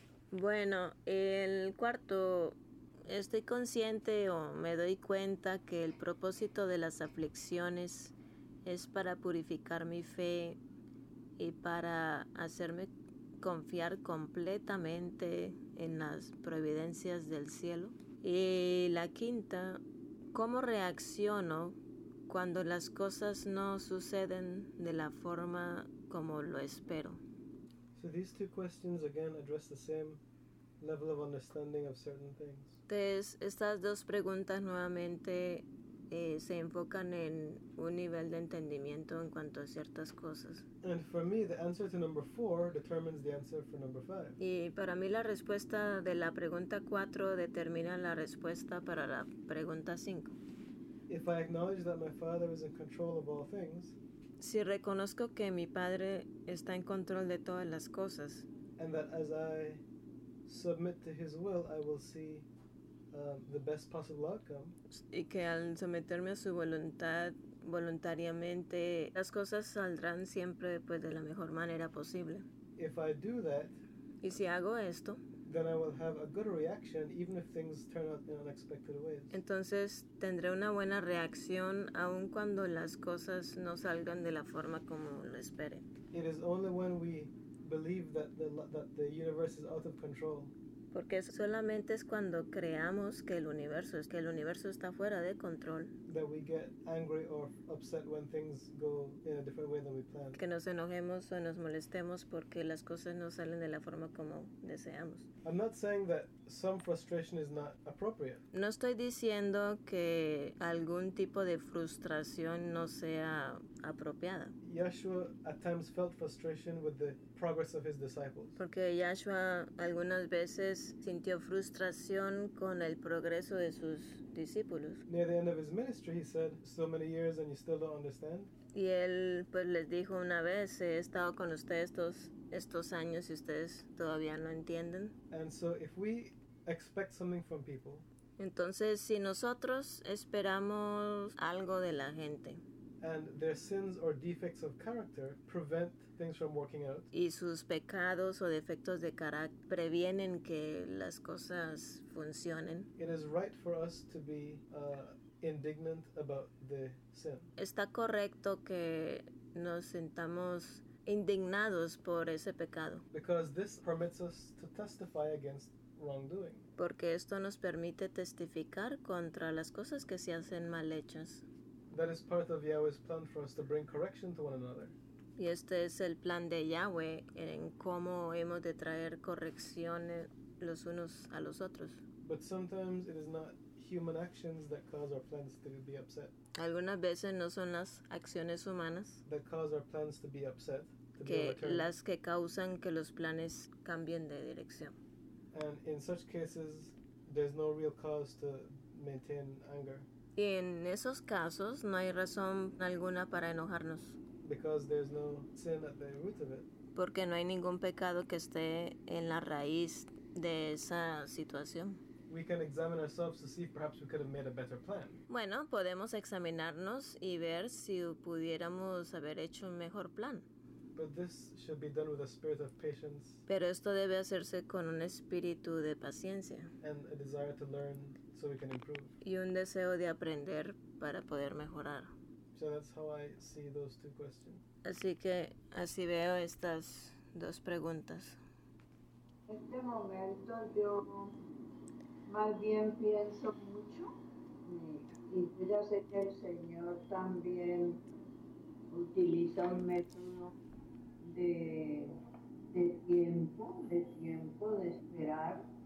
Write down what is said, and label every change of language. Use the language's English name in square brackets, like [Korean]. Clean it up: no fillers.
[Spanish] Bueno, el cuarto, estoy consciente o me doy cuenta que el propósito de las aflicciones es para purificar mi fe y para hacerme confiar completamente en las providencias del cielo. Y la quinta, ¿cómo reacciono cuando las cosas no suceden de la forma como lo espero? [English] So these two questions again address the same level of understanding of certain things. [Spanish] Entonces, estas dos preguntas nuevamente se enfocan en un nivel de entendimiento en cuanto a ciertas cosas. [English] And for me, the answer to number 4 determines the answer for number 5. [Spanish] Y para mí la respuesta de la pregunta 4 determina la respuesta para la pregunta 5. [English] If I acknowledge that my Father is in control of all things, [Spanish] si reconozco que mi Padre está en control de todas las cosas, [English] and that as I submit to His will, I will see the best possible outcome, [Spanish] y que al someterme a su voluntad voluntariamente, las cosas saldrán siempre pues de la mejor manera posible. [English] If I do that, [Spanish] y si hago esto, [English] then I will have a good reaction even if things turn out in unexpected ways. [Spanish] Entonces tendré una buena reacción aun cuando las cosas no salgan de la forma como lo espere. [English] It is only when we believe that the universe is out of control. [Spanish] Porque solamente es cuando creamos que el universo está fuera de control. [English] That we get angry or upset when things go in a different way than we planned. [Spanish] Que nos enojemos o nos molestemos porque las cosas no salen de la forma como deseamos. [English] I'm not saying that some frustration is not appropriate. [Spanish] No estoy diciendo que algún tipo de frustración no sea apropiada. [English] Yeshua at times felt frustration with the progress of his disciples. [Spanish] Porque Yeshua algunas veces sintió frustración con el progreso de sus discípulos. [English] Near the end of his ministry, he said, "So many years and you still don't understand." [Spanish] Y él pues les dijo una vez, "He estado con ustedes estos años y ustedes todavía no entienden." [English] And so if we expect something from people, [Spanish] entonces si nosotros esperamos algo de la gente, [English] and their sins or defects of character prevent things from working out, [Spanish] y sus pecados o defectos de carácter previenen que las cosas funcionen, [English] it is right for us to be indignant about the sin. [Spanish] Está correcto que nos sintamos indignados por ese pecado. [English] Because this permits us to testify against wrongdoing. [Spanish] Porque esto nos permite testificar contra las cosas que se hacen mal hechas. [English] That is part of Yahweh's plan for us to bring correction to one another. [Spanish] Y este es el plan de Yahweh en cómo hemos de traer correcciones los unos a los otros. [English] But sometimes it is not human actions that cause our plans to be upset. [Spanish] Algunas veces no son las acciones humanas [English] that cause our plans to be upset, [Spanish] que las que causan que los planes cambien de dirección. [English] And in such cases, there's no real cause to maintain anger. [Spanish] Y en esos casos no hay razón alguna para enojarnos. [English] Because there's no sin at the root of it. [Spanish] Porque no hay ningún pecado que esté en la raíz de esa situación. [English] We can examine ourselves to see if perhaps we could have made a better plan. [Spanish] Bueno, podemos examinarnos y ver si pudiéramos haber hecho un mejor plan. [English] But this should be done with a spirit of patience. [Spanish] Pero esto debe hacerse con un espíritu de paciencia. [English] And a desire to learn. So we can improve. [Spanish] Y un deseo de aprender para poder mejorar. [English] So that's how I see those two questions. [Spanish] Así que así veo estas dos preguntas. Este momento yo más bien pienso mucho y yo ya sé que el Señor también utiliza un método de tiempo, de esperar.